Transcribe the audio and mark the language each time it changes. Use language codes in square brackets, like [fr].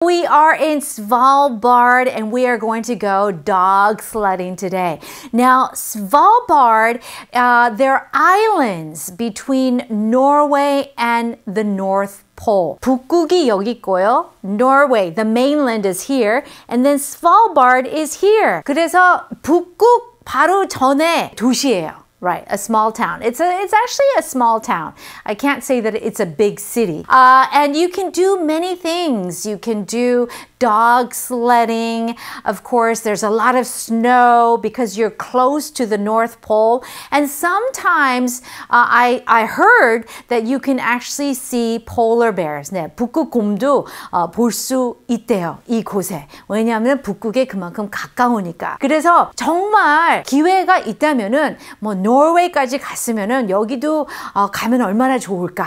[en] We are in Svalbard and we are going to go dog sledding today. Now, Svalbard, there are islands between Norway and the North Pole. [ko] 북극이 여기 있고요. [en] Norway, the mainland is here. And then Svalbard is here. [ko] 그래서 북극 바로 전에 도시예요. [en] Right, a small town. It's actually a small town. I can't say that it's a big city. And you can do many things. You can do dog sledding. Of course, there's a lot of snow because you're close to the North Pole. And sometimes I heard that you can actually see polar bears. [ko] 네, 북극 곰도 볼 수 있대요, 이곳에. 왜냐하면 북극에 그만큼 가까우니까. 그래서 정말 기회가 있다면은 뭐 노르웨이까지 갔으면은 여기도 가면 얼마나 좋을까.